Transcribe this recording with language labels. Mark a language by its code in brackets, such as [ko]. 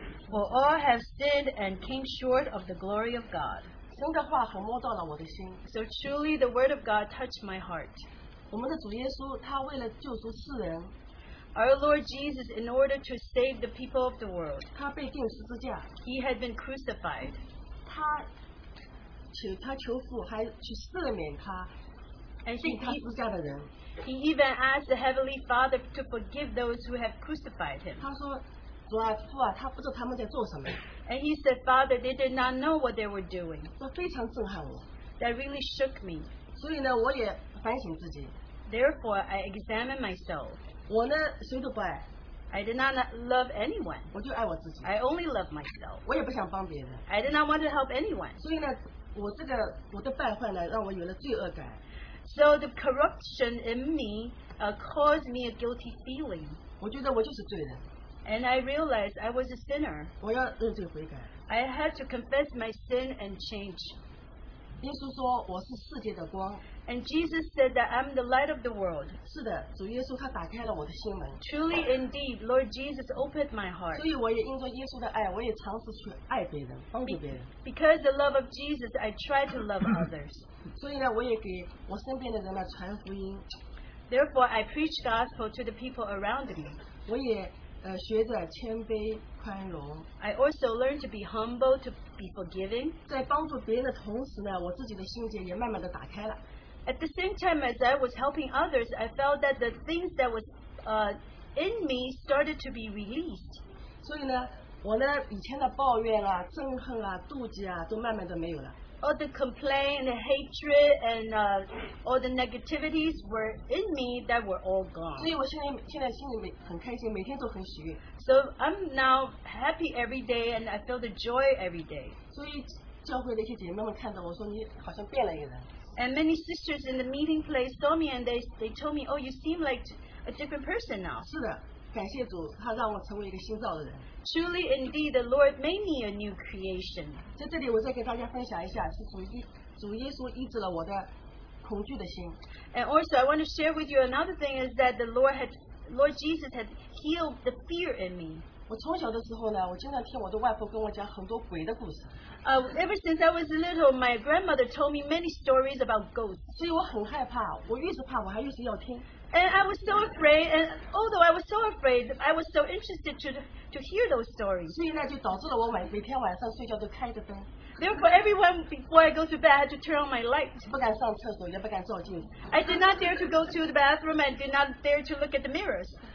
[en] For all have sinned and came short of the glory of God. [zh] 神的话很摸到了我的心。 [en] So truly the word of God touched my heart. [zh] 我们的主耶稣他为了救赎世人。 [en] Our Lord Jesus, in order to save the people of the world, [zh] 他被钉十字架。 [en] He had been crucified. [zh] 他求父还去赦免他。 [en] And he even asked the Heavenly Father to forgive those who have crucified him. [zh] 他说，主啊，父啊，他不知道他们在做什么。 [en] And he said, Father, they did not know what they were doing. [zh] 这非常震撼我。 [en] That really shook me. [zh] 所以呢，我也反省自己。 [en] Therefore, I examined myself. [zh] 我呢，谁都不爱。 [en] I did not love anyone. [zh] 我就爱我自己。 [en] I only love myself. [zh] 我也不想帮别人。 [en] I did not want to help anyone. [zh] 所以呢，我的败坏呢，让我有了罪恶感。 [en] So the corruption in me caused me a guilty feeling. [zh] 我觉得我就是罪人。 [en] And I realized I was a sinner. [zh] 我要认罪悔改。 [en] I had to confess my sin and change. [zh] 耶稣说我是世界的光。 [en] And Jesus said that I'm the light of the world. [zh] 是的，主耶稣他打开了我的心门。 [en] Truly indeed, Lord Jesus opened my heart. [zh] 所以我也因着耶稣的爱，我也尝试去爱别人，帮助别人。 [en] Because the love of Jesus, I try to love others. [zh] 所以呢，我也给我身边的人呢传福音。 [en] Therefore, I preach gospel to the people around me. [zh] 我也学着谦卑宽容。 [en] I also learned to be humble, to be forgiving. [zh] 在帮助别人的同时呢，我自己的心结也慢慢的打开了。 [en] At the same time as I was helping others, I felt that the things that was in me started to be released. [zh] 所以呢，我呢以前的抱怨啊、憎恨啊、妒忌啊，都慢慢都没有了。 [en] All the complaint, the hatred, and all the negativities were in me that were all gone. [zh] 所以我现在心里很开心，每天都很喜悦。 [en] So I'm now happy every day, and I feel the joy every day. [zh] 所以教会的一些姐妹们看到我说，你好像变了一个人。 [en] And many sisters in the meeting place saw me and they told me, oh, you seem like a different person now. [zh] 是的，感谢主，他让我成为一个新造的人。 [en] Truly indeed, the Lord made me a new creation. [zh] 在这里我再给大家分享一下，是主耶稣医治了我的恐惧的心。 [en] And also, I want to share with you another thing is that Lord Jesus had healed the fear in me. [zh] 我从小的时候呢，我经常听我的外婆跟我讲很多鬼的故事。 [en] Ever since I was little, my grandmother told me many stories about ghosts. [zh] 所以我很害怕，我越是怕，我还越是要听。 [en] And I was so afraid, and although I was so afraid, I was so interested to hear those stories. [zh] 所以那就导致了我每天晚上睡觉都开着灯。 [en] Therefore, everyone, before I go to bed, I had to turn on my light. [zh] 不敢上厕所, 也不敢照镜子。 [en] I did not dare to go to the bathroom, and did not dare to look at the mirrors.